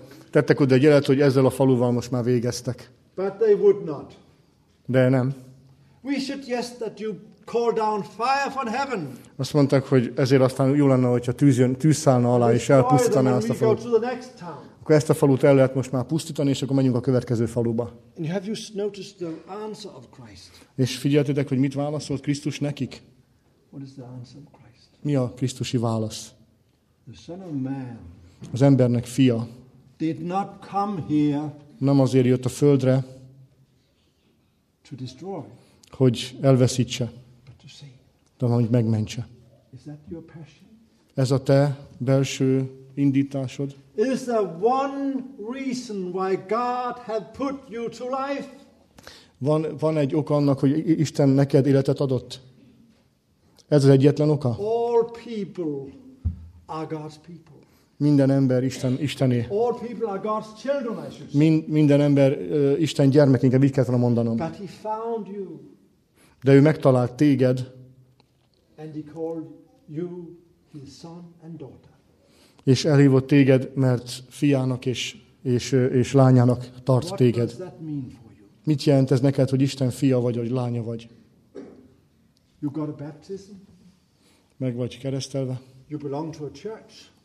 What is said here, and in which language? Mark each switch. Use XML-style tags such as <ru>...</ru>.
<hu>Tettek oda egy jelet, hogy ezzel a faluval most már végeztek.</hu> <en>But they would not.</en> <hu>De nem.</hu> <en>We suggest that you call down fire from heaven.</en> <hu>Azt mondták, hogy ezért aztán jó lenne, hogyha tűz szállna alá, és elpusztítaná azt a falut. Akkor ezt a falut el lehet most már pusztítani, és akkor menjünk a következő faluba.</hu> <en>And have you noticed the answer of Christ?</en> <hu>És figyeltétek, hogy mit válaszolt Krisztus nekik?</hu> <en>What is the answer of Christ?</en> <hu>Mi a krisztusi válasz?</hu> <en>The Son of Man.</en> <hu>Az embernek fia.</hu> <en>Did not come here.</en> <hu>Nem azért jött a földre.</hu> <en>To destroy.</en> <hu>Hogy elveszítse.</hu> <en>But to save.</en> <hu>De hogy megmentse.</hu> <en>Is that your passion?</en> <hu>Ez a te belső indításod.</hu> <en>Is there one reason why God had put you to life?</en> <hu>Van egy ok annak, hogy Isten neked életet adott? Ez az egyetlen oka?</hu> <en>All people are God's people.</en> <hu>Minden ember Istené.</hu> <en>All people are God's children, I should say.</en> <hu>Minden ember Isten gyermek, inkább így kellene mondanom.</hu> <en>But he found you.</en> <hu>De ő megtalált téged.</hu> <en>And he called you his son and daughter.</en> <hu>És elhívott téged, mert fiának és lányának tart téged. Mit jelent ez neked, hogy Isten fia vagy, vagy lánya vagy?</hu> <en>You got a baptism?</en> <hu>Meg vagy keresztelve?</hu> <en>You belong to a church?</en>